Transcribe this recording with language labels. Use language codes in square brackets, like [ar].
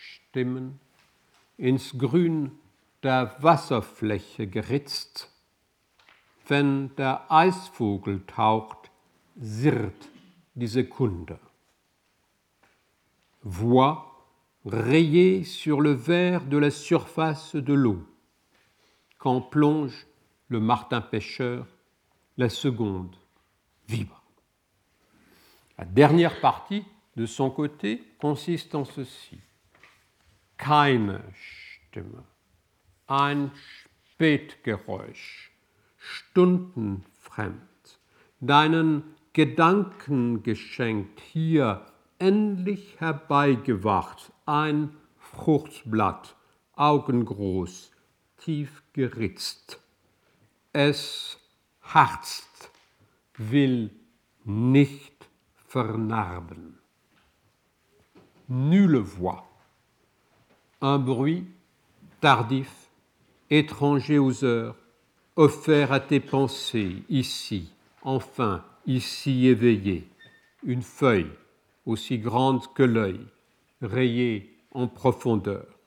[de] Stimmen, ins Grün der Wasserfläche geritzt, wenn der Eisvogel taucht, sirrt die Sekunde. [fr] Voix rayée sur le vert de la surface de l'eau, quand plonge le martin-pêcheur, la seconde vibre. La dernière partie, de son côté, consiste en ceci. [de] Keine Stimme, ein Spätgeräusch, stundenfremd, deinen Gedanken geschenkt hier, endlich herbeigewacht, ein Fruchtblatt, augengroß, tief geritzt. Es harzt, will nicht vernarben. [fr] Nulle voix. Un bruit tardif, étranger aux heures, offert à tes pensées, ici, enfin, ici éveillé, une feuille aussi grande que l'œil, rayée en profondeur.